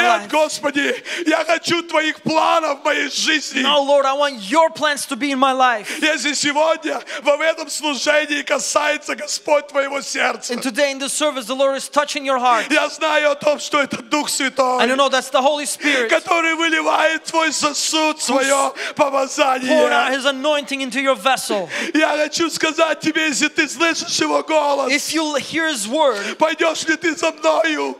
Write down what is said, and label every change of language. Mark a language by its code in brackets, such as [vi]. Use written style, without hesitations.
[ru] нет, [en] life? [ru] Нет, Господи, я хочу твоих планов в моей жизни. [en] No, Lord, I want your plans to be in my life. [ru] Если сегодня во этом служении касается Господь твоего сердца. [en] And today in the service, the Lord is touching your heart. [ru] Я знаю о том, что это Дух Святой. [en] And you know, that's the Holy Spirit. [ru] Который выливает твой сосуд, свое помазание. [en] Out his anointing into your vessel. [ru] Я хочу сказать тебе, если ты слышишь его голос. [en] If you hear his word. [ru] Пойдешь ли ты за мною?